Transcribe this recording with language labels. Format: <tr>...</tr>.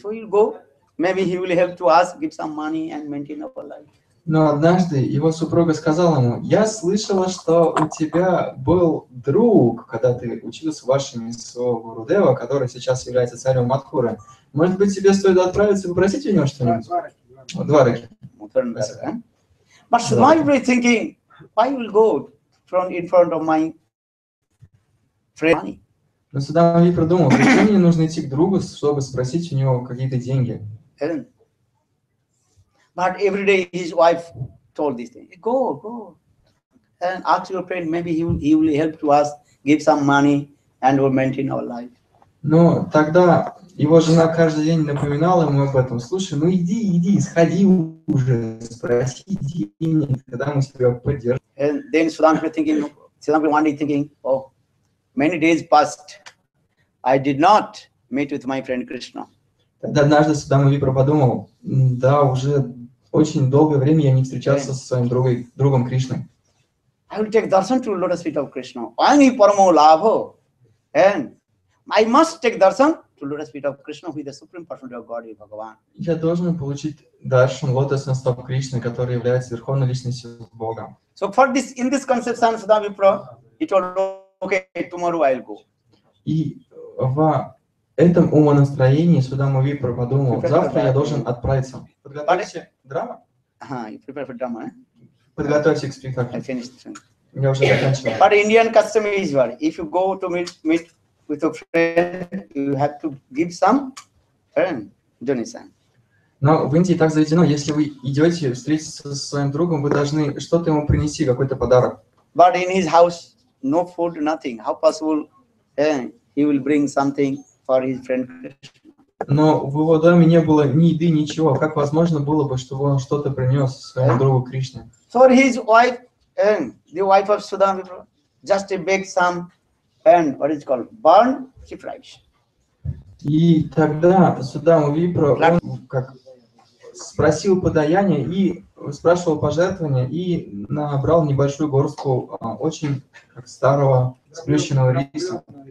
<en>So you go, maybe he will help to us, give some money and maintain our life.</en> <ru>Но однажды его супруга сказала ему, я слышала, что у тебя был друг, когда ты учился в вашем Гурудева, который сейчас является царем Матхуры. Может быть, тебе стоит отправиться и попросить у него что-нибудь? Два раки.</ru> <en>But Судама Випра is thinking, why will go from in front of my friend?</en> <ru>Но Судама Випра думал, почему мне нужно идти к другу, чтобы спросить у него какие-то деньги?</ru> <en>But every day his wife told this thing, go, go, and ask your friend, maybe he will help to us, give some money, and we'll maintain our life.</en> <ru>Но тогда его жена каждый день напоминала ему об этом, слушай, ну иди, иди, сходи уже, спроси деньги, когда мы тебя поддержим.</ru> <en>And then Судама Випра thinking, Судама Випра one day thinking, oh, many days passed, I did not meet with my friend Krishna.</en> <ru>Тогда однажды Судама Випра подумал, да, уже очень долгое время я не встречался со своим другом Кришной.</ru> <en>I will take darshan to lotus feet of Krishna.</en> <sa>Ani paramo labho.</sa> <en>And I must take darshan to lotus feet of Krishna, who is the supreme personality of God, is Bhagavan.</en> <ru>Я должен получить даршан лотосных стоп Кришны, который является верховной личностью Бога.</ru> <en>So for this, in this conception, Судама Випра, he told, okay, tomorrow I'll go.</en> <ru>И в этом умонастроении Судама Випра подумал, завтра я должен отправиться. Подготовьте к спектаклю. Я уже заканчиваю.</ru> <en>But Indian custom is what? If you go to meet with a friend, you have to give some donation.</en> <ru>Но в Индии так заведено, если вы идете встретиться со своим другом, вы должны что-то ему принести, какой-то подарок.</ru> <en>But in his house, no food, nothing. How possible he will bring something for his friend Krishna?</en> <ru>Но в его доме не было ни еды, ничего. Как возможно было бы, чтобы он что-то принес своему другу Кришне?</ru> <en>So his wife, the wife of Судама Випра, just baked some, what is it called, burn chief rice.</en> <ru>И тогда Судама Випра, он как спросил подаяние и спрашивал пожертвования и набрал небольшую горстку очень как старого сплющенного риса.</ru>